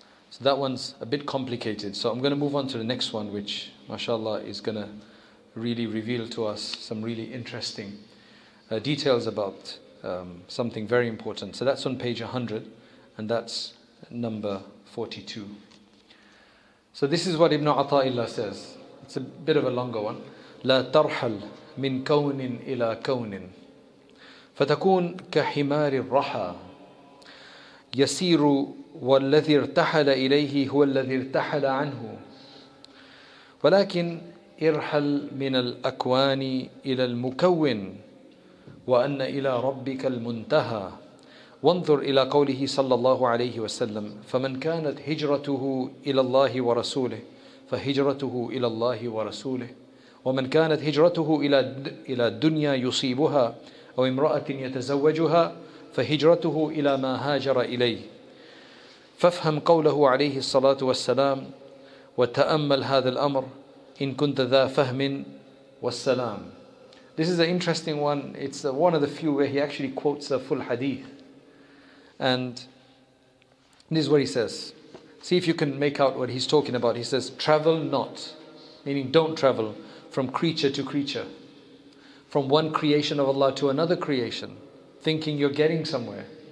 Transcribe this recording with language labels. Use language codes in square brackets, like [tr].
[en] So that one's a bit complicated. So I'm going to move on to the next one, which, mashallah, is going to really reveal to us some really interesting details about something very important. So that's on page 100, and that's number 42. So this is what Ibn Ata'illah says. It's a bit of a longer one. [ar] لا ترحل من كون إلى كون فتكون كحمار الرحى يسير والذي ارتحل إليه هو الذي ارتحل عنه ولكن ارحل من الأكوان إلى المكون وأن إلى ربك المنتهى وانظر إلى قوله صلى الله عليه وسلم فمن كانت هجرته إلى الله ورسوله فهجرته إلى الله ورسوله ومن كانت هجرته إلى الدنيا يصيبها أو امرأة يتزوجها فهجرته إلى ما هاجر إليه فافهم قوله عليه الصلاة والسلام وتأمل هذا الأمر إن كنت ذا فهم والسلام. [en] This is an interesting one. It's one of the few where he actually quotes a full hadith. And this is what he says. See if you can make out what he's talking about. He says, travel not, meaning don't travel, from creature to creature, from one creation of Allah to another creation, thinking you're getting somewhere.